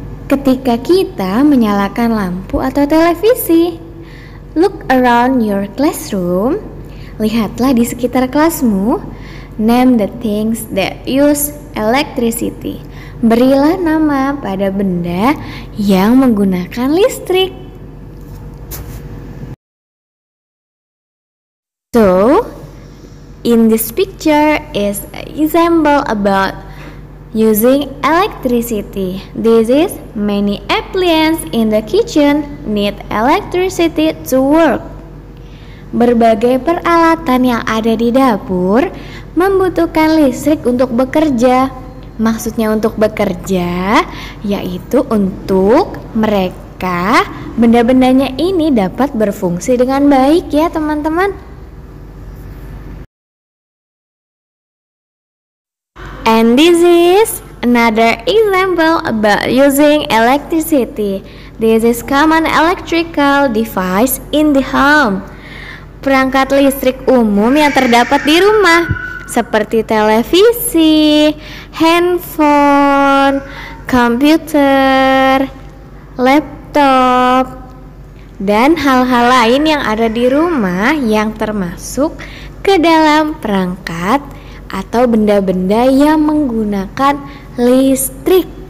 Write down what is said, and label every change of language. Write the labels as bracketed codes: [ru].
[id] Ketika kita menyalakan lampu atau televisi, [en] look around your classroom, [id] lihatlah di sekitar kelasmu, [en] name the things that use electricity. [id] Berilah nama pada benda yang menggunakan listrik. [en] So, in this picture is an example about using electricity. This is many appliances in the kitchen need electricity to work. [id] Berbagai peralatan yang ada di dapur membutuhkan listrik untuk bekerja. Maksudnya untuk bekerja yaitu untuk mereka benda-bendanya ini dapat berfungsi dengan baik ya teman-teman. [en] And this is another example about using electricity. This is common electrical device in the home. [id] Perangkat listrik umum yang terdapat di rumah, seperti televisi, handphone, komputer, laptop, dan hal-hal lain yang ada di rumah yang termasuk ke dalam perangkat atau benda-benda yang menggunakan listrik.